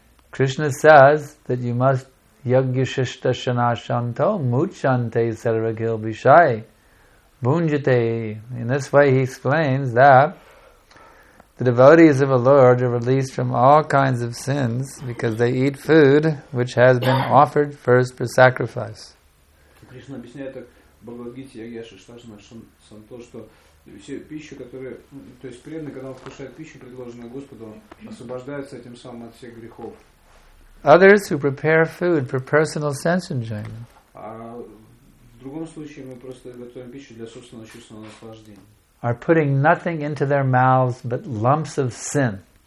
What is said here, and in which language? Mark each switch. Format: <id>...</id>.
<en>Krishna says that you must</en> <sa>yagyashishta shana shanto muchante sarvagil bishai bunjate.</sa> <en>In this way he explains that the devotees of a Lord are released from all kinds of sins because they eat food which has been offered first for sacrifice.</en> <ru>Krishna объясняет так, благодарите</ru> <sa>ягьяшишта шана шанто,</sa> <ru>что пищу, которую, то есть преданный, когда он вкушает пищу, предложенную Господу, он освобождается этим самым от всех грехов.</ru> <en>Others who prepare food for personal sense enjoyment.</en> <ru>А в другом случае мы просто готовим пищу для собственного чувственного наслаждения.</ru> <en>Are putting nothing into their mouths but lumps of sin.</en>